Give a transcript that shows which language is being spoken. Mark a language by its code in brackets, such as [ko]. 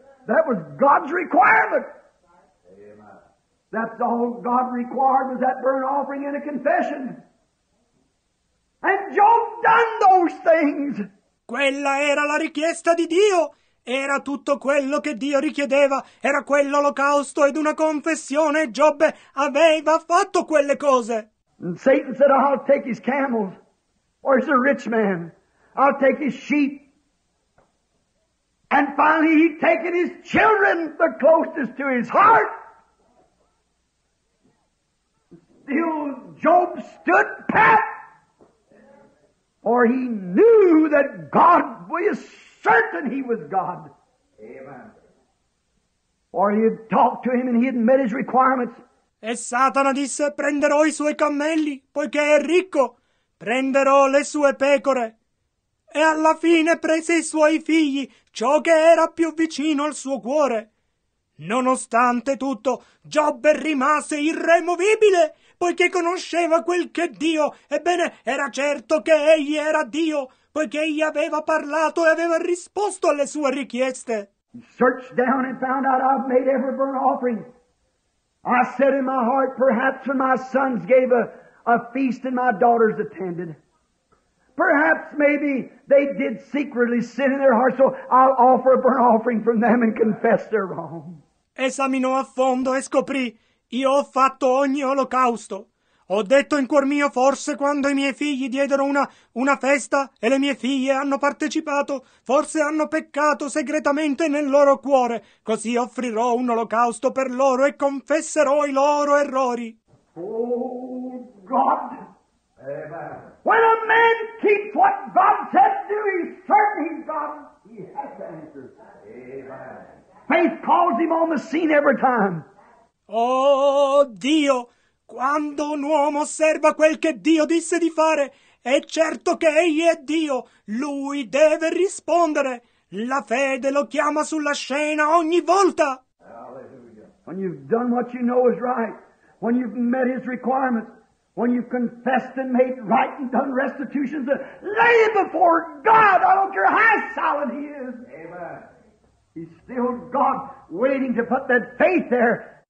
[en] That was God's requirement. That's all God required was that burnt offering and a confession. And Job done those things. [it] Quella era la richiesta di Dio. Era tutto quello che Dio richiedeva. Era quell'olocausto ed una confessione. Giobbe aveva fatto quelle cose. [en] And Satan said, I'll take his camels. Where's the rich man? I'll take his sheep. And finally he'd taken his children, the closest to his heart. Still Job stood pat. For he knew that God was certain he was God. Amen. For he had talked to him and he had met his requirements. [it] E Satana disse, prenderò i suoi cammelli, poiché è ricco. Prenderò le sue pecore. E alla fine prese i suoi figli, ciò che era più vicino al suo cuore. Nonostante tutto, Giobbe rimase irremovibile, poiché conosceva quel che Dio, ebbene, era certo che egli era Dio, poiché egli aveva parlato e aveva risposto alle sue richieste. [en] Search down and found out I've made every burnt offering. I said in my heart, perhaps when my sons gave a feast and my daughters attended. Perhaps maybe they did secretly sin in their hearts, so I'll offer a burnt offering from them and confess their wrong. [it] Esaminò a fondo e scoprì, io ho fatto ogni olocausto. Ho detto in cuor mio, forse quando i miei figli diedero una festa e le mie figlie hanno partecipato, forse hanno peccato segretamente nel loro cuore. Così offrirò un olocausto per loro e confesserò i loro errori. [en] Oh, God! Amen. When a man keeps what God said to do, he's certain he's God. He has to answer. Amen. Faith calls him on the scene every time. [it] Oh, Dio! Quando un uomo osserva quel che Dio disse di fare, è certo che egli è Dio. Lui deve rispondere. La fede lo chiama sulla scena ogni volta. [en] Hallelujah. When you've done what you know is right, when you've met his requirements, when you've confessed and made right and done restitutions, lay it before God. I don't care how solid he is. Amen. He's still God waiting to put that faith there.